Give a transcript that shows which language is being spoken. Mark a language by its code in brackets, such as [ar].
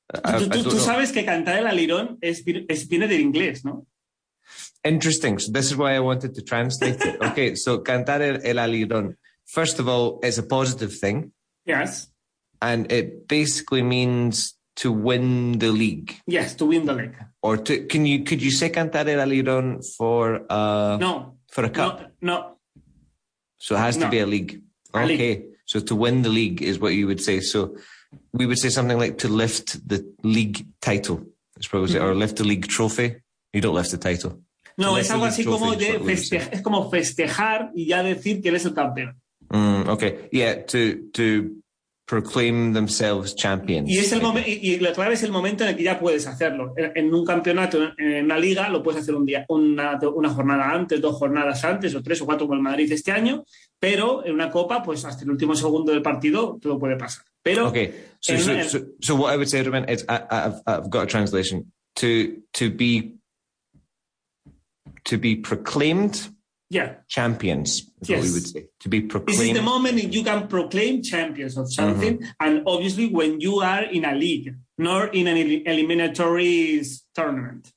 [es] Tú sabes que cantar el alirón es viene del inglés, ¿no? [en] Interesting. So this is why I wanted to translate it. Okay, so [es] cantar el alirón. [en] First of all, it's a positive thing. Yes. And it basically means to win the league. Yes, to win the league. Or to could you say [es] cantar el alirón [en] for for a cup? No. So it has to be a league. Okay. So to win the league is what you would say. So we would say something like to lift the league title, I suppose, or lift the league trophy. You don't lift the title. [es] No, es algo así como de festejar, es como festejar y ya decir que eres el campeón. [en] To proclaim themselves champions. [es] Y es el momento, y la clave es el momento en el que ya puedes hacerlo. En un campeonato, en una liga, lo puedes hacer un día, una jornada antes, dos jornadas antes, o tres o cuatro con el Madrid este año, pero en una copa, pues hasta el último segundo del partido, todo puede pasar. Pero [en] So what I would say, Ruben, is I've got a translation. To be proclaimed champions, yes, what we would say, to be proclaimed. This is the moment you can proclaim champions of something, mm-hmm, and obviously when you are in a league, not in an eliminatory tournament.